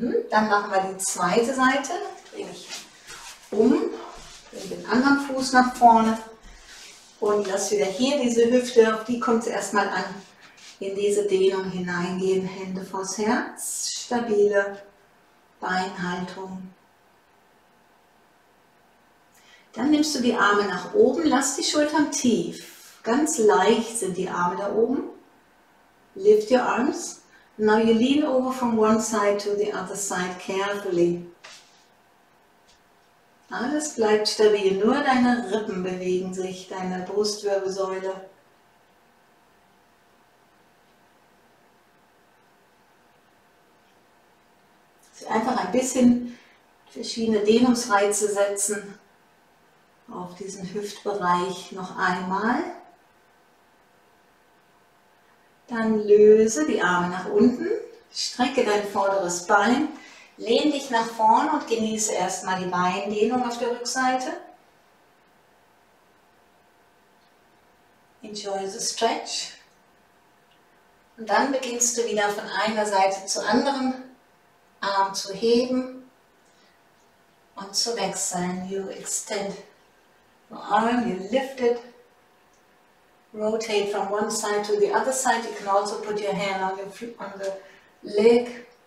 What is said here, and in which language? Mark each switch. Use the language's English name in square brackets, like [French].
[German] Dann machen wir die zweite Seite, drehe ich um, bringe den anderen Fuß nach vorne und lass wieder hier diese Hüfte, auf die kommt es erstmal an, in diese Dehnung hineingehen, Hände vors Herz, stabile Beinhaltung. Dann nimmst du die Arme nach oben, lass die Schultern tief. Ganz leicht sind die Arme da oben. [English] Lift your arms. Now you lean over from one side to the other side carefully. [German] Alles bleibt stabil, nur deine Rippen bewegen sich, deine Brustwirbelsäule. Einfach ein bisschen verschiedene Dehnungsreize setzen auf diesen Hüftbereich noch einmal. Dann löse die Arme nach unten, strecke dein vorderes Bein, lehn dich nach vorne und genieße erstmal die Beindehnung auf der Rückseite. [English] Enjoy the stretch. [German] Und dann beginnst du wieder von einer Seite zur anderen, Arm zu heben und zu wechseln. [English] You extend your arm, you lift it. Rotate from one side to the other side. You can also put your hand on your on the leg.